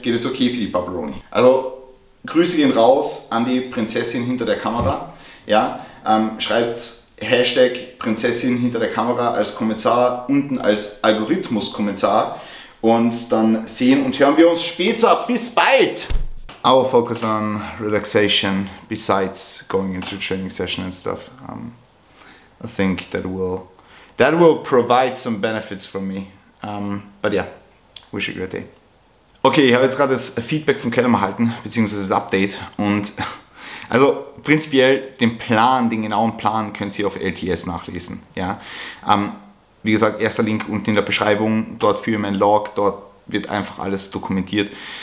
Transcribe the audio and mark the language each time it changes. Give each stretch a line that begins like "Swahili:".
German: Geht es okay für die Pepperoni? Also, Grüße gehen raus an die Prinzessin hinter der Kamera. Ja? Schreibt Hashtag Prinzessin hinter der Kamera als Kommentar, unten als Algorithmus-Kommentar und dann sehen und hören wir uns später. Bis bald!
English: Our focus on relaxation besides going into training session and stuff. I think that will provide some benefits for me. But yeah, wish you a great day.
German: Okay, ich habe jetzt gerade das Feedback von Kalum erhalten, beziehungsweise das Update. Und also prinzipiell den Plan, den genauen Plan, könnt ihr auf LTS nachlesen. Ja? Wie gesagt, erster Link unten in der Beschreibung. Dort führe ich meinen Log, dort wird einfach alles dokumentiert.